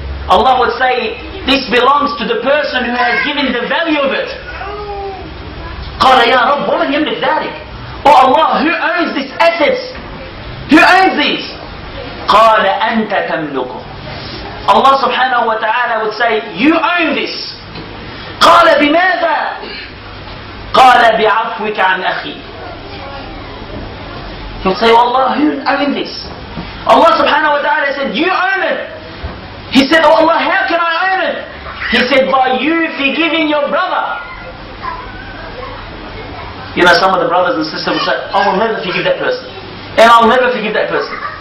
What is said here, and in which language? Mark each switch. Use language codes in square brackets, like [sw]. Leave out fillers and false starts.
[en] Allah would say, this belongs to the person who has given the value of it. [ar] قال يا رب ومن يملك ذلك. [en] Oh Allah, who owns this assets? Who owns these? [ar] قال أنت تملكه. [en] Allah subhanahu wa ta'ala would say, you own this. [ar] قال بماذا؟ قال بعفوك عن أخي. [en] He'll say, oh Allah, who owns this? Allah subhanahu wa ta'ala said, you own it. He said, oh Allah, how can I own it? He said, by you forgiving your brother. You know, some of the brothers and sisters will say, I will never forgive that person. And I'll never forgive that person.